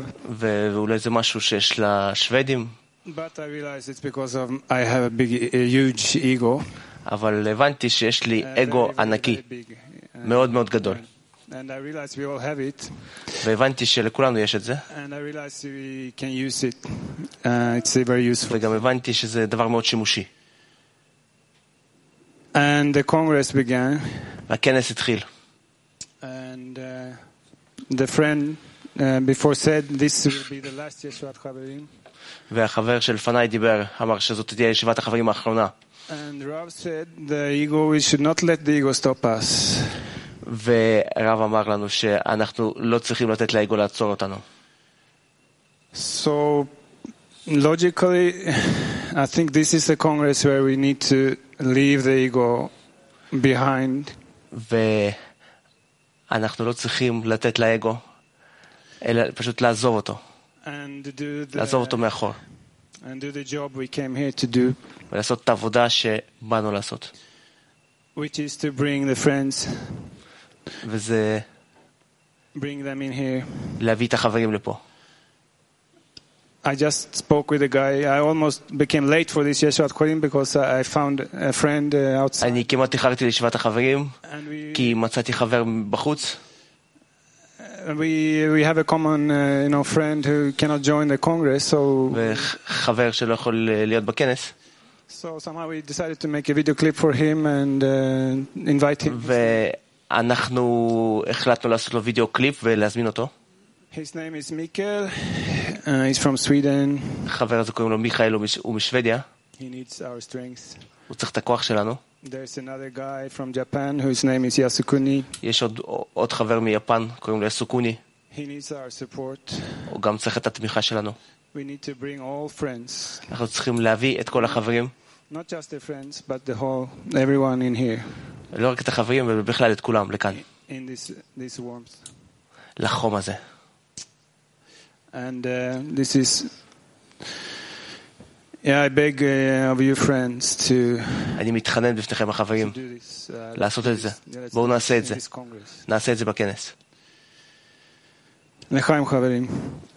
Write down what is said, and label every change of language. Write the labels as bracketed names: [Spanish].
[Hebrew] ואולי זה משהו שיש לשוודים. [English] But I realize it's because of I have a big a huge ego. [Hebrew] אבל הבנתי שיש לי אגו ענקי. מאוד מאוד גדול. [English] And I realize we all have it. [Hebrew] והבנתי שלכולנו יש את זה. [English] And I realize we can use it. It's very useful. [Hebrew] וגם הבנתי שזה דבר מאוד שימושי. [English] And the congress began. [Hebrew] והכנס התחיל. [English] And the friend before said this will be the last Yeshivat Chavarim. [Hebrew] והחבר שלפניי דיבר אמר שזאת תהיה ישיבת החברים האחרונה. [English] And Rav said the ego we should not let the ego stop us. [Hebrew] ורב אמר לנו שאנחנו לא צריכים לתת לאגו לעצור אותנו. [English] So logically I think this is the congress where we need to leave the ego behind. [Hebrew] ואנחנו לא צריכים לתת לאגו אלא פשוט לעזוב אותו. לעזוב אותו מאחור. [English] And do the job we came here to do. [Hebrew] ולעשות את העבודה שבאנו לעשות. [English] Which is to bring the friends. [Hebrew] וזה [English] bring them in here. [Hebrew] להביא את החברים לפה. [English] I just spoke with a guy. I almost became late for this Yeshivat Chavarim because I found a friend outside. [Hebrew] אני כמעט איחרתי לישיבת החברים כי מצאתי חבר בחוץ. [English] We have a common you know friend who cannot join the congress so [Hebrew] חבר שלא יכול להיות בכנס. [English] So somehow we decided to make a video clip for him and invite him. [Hebrew] ואנחנו החלטנו לעשות לו וידאו קליפ ולהזמין אותו. [English] His name is Mikael. He's from Sweden. [Hebrew] חבר הזה קוראים לו מיכאל, הוא משוודיה. [English] He needs our strength. [Hebrew] הוא צריך את הכוח שלנו. [English] There's another guy from Japan whose name is Yasukuni. [Hebrew] יש עוד חבר מיפן קוראים לו יסוקוני. [English] He needs our support. [Hebrew] הוא גם צריך את התמיכה שלנו. [English] We need to bring all friends. [Hebrew] אנחנו צריכים להביא את כל החברים. [English] Not just the friends but the whole everyone in here. [Hebrew] לא רק את החברים אלא בכלל את כולם לכאן. [English] In this warmth. [Hebrew] לחום הזה. [English] And this is Yeah, I beg of you friends to [Hebrew] אני מתחנן בפניכם החברים לעשות את זה. בואו נעשה את זה. נעשה את זה בכנס. לחיים חברים.